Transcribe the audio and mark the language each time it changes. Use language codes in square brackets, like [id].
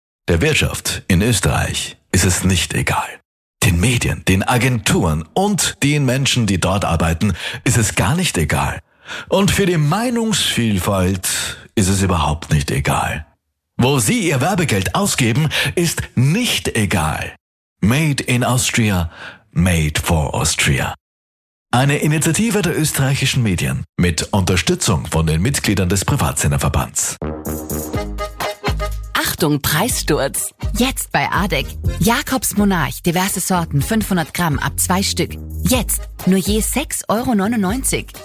[de] Der Wirtschaft in Österreich ist es nicht egal. Den Medien, den Agenturen und den Menschen, die dort arbeiten, ist es gar nicht egal. Und für die Meinungsvielfalt ist es überhaupt nicht egal. Wo sie ihr Werbegeld ausgeben, ist nicht egal. [en] Made in Austria, made for Austria. [de] Eine Initiative der österreichischen Medien mit Unterstützung von den Mitgliedern des Privatsenderverbands. Achtung, Preissturz. Jetzt bei Adeck. Jakobs Monarch, diverse Sorten, 500 Gramm ab 2 Stück. Jetzt nur je 6,99 Euro.